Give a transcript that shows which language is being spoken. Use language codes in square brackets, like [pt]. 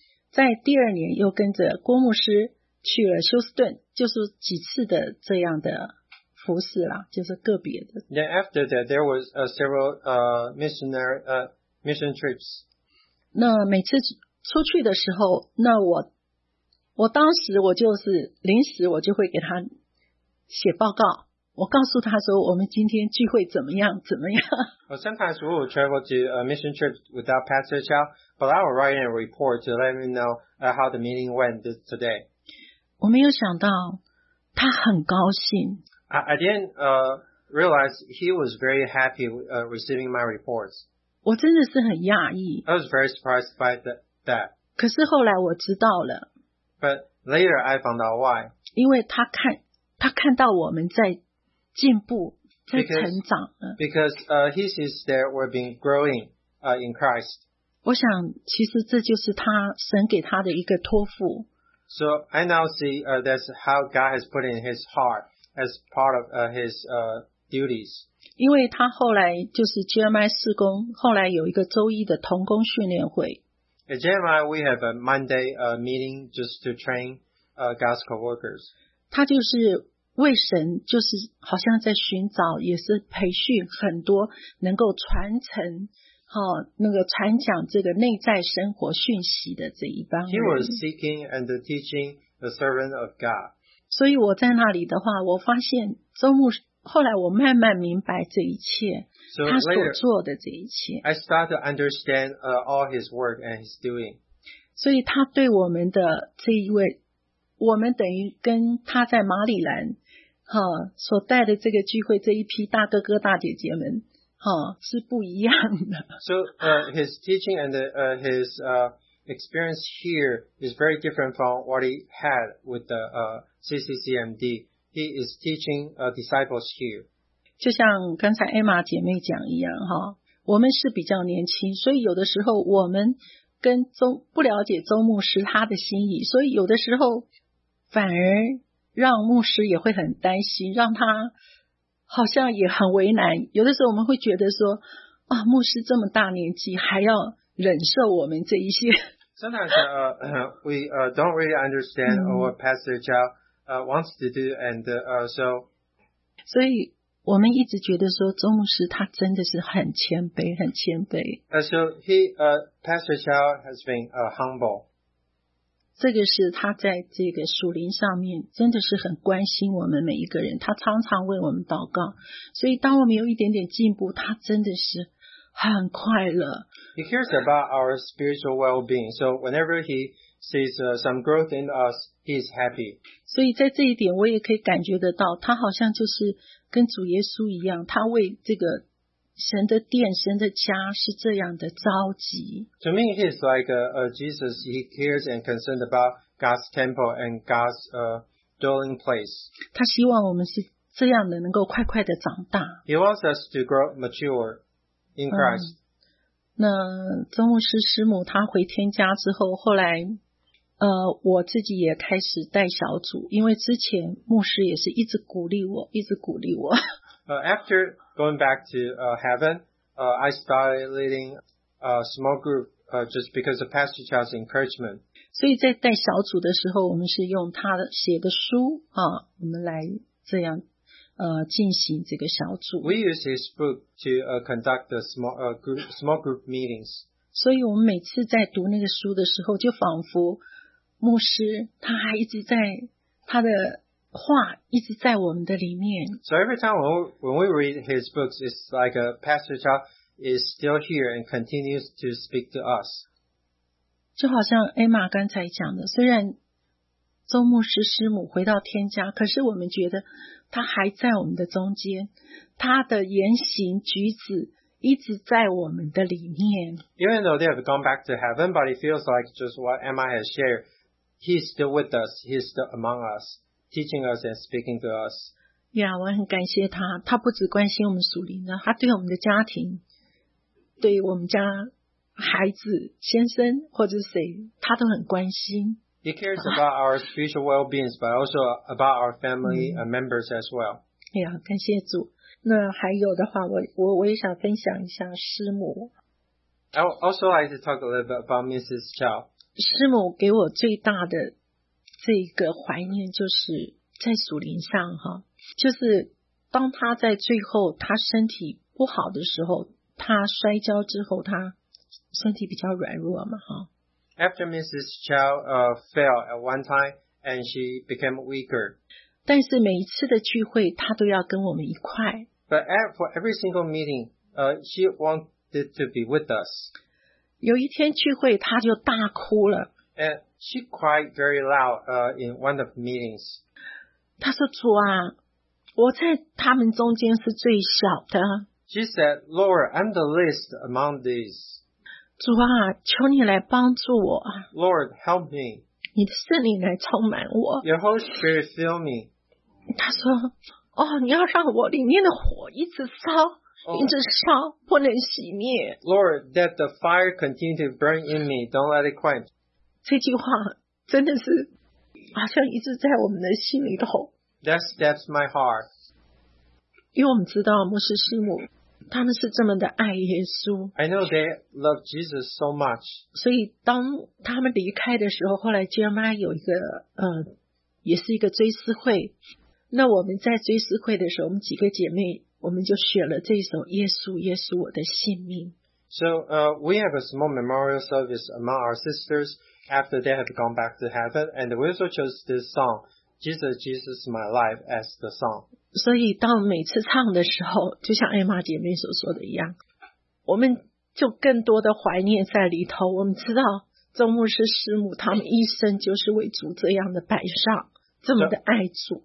[zh] 在第二年又跟着郭牧师去了休斯顿，就是几次的这样的服侍啦，就是个别的。 [en] Then after that, there was several mission trips. [zh] 那每次出去的时候，那我当时我就是临时我就会给他写报告，我告诉他说我们今天聚会怎么样怎么样。 [en] Well, sometimes we will travel to a mission trip without Pastor Chow, but I will write in a report to let me know how the meeting went today. [zh] 我没有想到他很高兴。 [en] I didn't realize he was very happy receiving my reports. [zh] 我真的是很讶异。 [en] I was very surprised by that. [zh] 可是后来我知道了。 [en] But later I found out why. [zh] 因为他看到我们在进步，在成长。 [en] Because he sees that we're being growing in Christ. [zh] 我想其实这就是他神给他的一个托付。 [en] So I now see that's how God has put in his heart as part of his duties. [zh] 因为他后来就是 Jeremiah 事工，后来有一个周一的同工训练会。 [en] At Jeremiah, we have a Monday meeting just to train God's co-workers. [zh] 他就是为神，就是好像在寻找，也是培训很多能够传承。那个传讲这个内在生活讯息的这一帮人。 [en] He was seeking and teaching the servant of God. [zh] 所以我在那里的话，我发现周牧后来我慢慢明白这一切， [en] so、 [zh] 他所 [en] later, [zh] 做的这一切。 [en] I start to understand all his work and his doing. [zh] 所以他对我们的这一位，我们等于跟他在马里兰，所带的这个聚会这一批大哥哥大姐姐们。是不一样的。 [en] So, his teaching and his experience here is very different from what he had with the CCCMD. He is teaching disciples here. [zh] 就像刚才 Emma 姐妹讲一样，我们是比较年轻，所以有的时候我们跟不了解周牧师他的心意，所以有的时候反而让牧师也会很担心，让他好像也很为难，有的时候我们会觉得说，啊，牧师这么大年纪还要忍受我们这一些。 [en] Sometimes we don't really understand what Pastor Chow wants to do, and so. [zh] 所以我们一直觉得说，周牧师他真的是很谦卑，很谦卑。 [en] So he Pastor Chow has been humble. [zh] 这个是他在这个属灵上面真的是很关心我们每一个人，他常常为我们祷告，所以当我们有一点点进步，他真的是很快乐。 [en] He cares about our spiritual well-being, so whenever he sees some growth in us, he's happy. [zh] 所以在这一点，我也可以感觉得到，他好像就是跟主耶稣一样，他为这个神的殿、神的家是这样的着急。 [en] To me, he's like Jesus. He cares and concerned about God's temple and God's dwelling place. [zh] 他希望我们是这样的，能够快快的长大。 [en] He wants us to grow mature in Christ. [zh] 那周牧师师母他回天家之后，后来我自己也开始带小组，因为之前牧师也是一直鼓励我，一直鼓励我。 [en] After going back to heaven, I started leading a small group just because of Pastor Chow's encouragement. [zh] 所以在带小组的时候，我们是用他写的书啊，我们来这样进行这个小组。 [en] We use his book to conduct the small group meetings. [zh] 所以我们每次在读那个书的时候，就仿佛牧师他还一直在他的话一直在我们的里面。 [en] So every time when we read his books, it's like a Pastor Chow is still here and continues to speak to us. [zh] 就好像 Emma 刚才讲的，虽然周牧师师母回到天家，可是我们觉得他还在我们的中间，他的言行举止一直在我们的里面。 [en] Even though they have gone back to heaven, but it feels like just what Emma has shared, he's still with us, he's still among us. Teaching us and speaking to us. Yeah, [zh] 我很感谢他，他不只关心我们属灵的，他对我们的家庭，对我们家孩子、先生或者谁，他都很关心。 [en] He cares about our spiritual well-being, but also about our family members as well. Yeah, [zh] 感谢主。那还有的话，我也想分享一下师母。 [en] I also like to talk a little bit about Mrs. Chow. [zh] 师母给我最大的这个怀念，就是在属灵上哈，就是当他在最后他身体不好的时候，他摔跤之后，他身体比较软弱嘛哈。 [en] After Mrs. Chow fell at one time and she became weaker. [zh] 但是每一次的聚会，他都要跟我们一块。 [en] But for every single meeting, she wanted to be with us. [zh] 有一天聚会，他就大哭了。 [en] And she cried very loud in one of the meetings. [zh] 他说：“主啊，我在他们中间是最小的。” [en] She said, "Lord, I'm the least among these." [zh] 主啊，求你来帮助我。 [en] Lord, help me. [zh] 你的圣灵来充满我。 [en] Your Holy Spirit fill me. [zh] 他说：“哦，你要让我里面的火一直烧， oh, 一直烧，不能熄灭。” [en] Lord, that the fire continue to burn in me. Don't let it quench. [zh] 这句话真的是好像一直在我们的心里头。 [en] That's my heart. [zh] 因为我们知道牧师师母他们是这么的爱耶稣。 [en] I know they love Jesus so much. [zh] 所以当他们离开的时候，后来杰妈有一个也是一个追思会。那我们在追思会的时候，我们几个姐妹我们就选了这一首《耶稣，耶稣，我的性命》。 [en] So we have a small memorial service among our sisters after they have gone back to heaven, and we also chose this song. Jesus, Jesus, my life as the song. [zh] 所以当每次唱的时候，就像艾玛姐妹所说的一样，我们就更多的怀念在里头。我们知道周牧师师母他们一生就是为主这样的摆上，这么的爱主。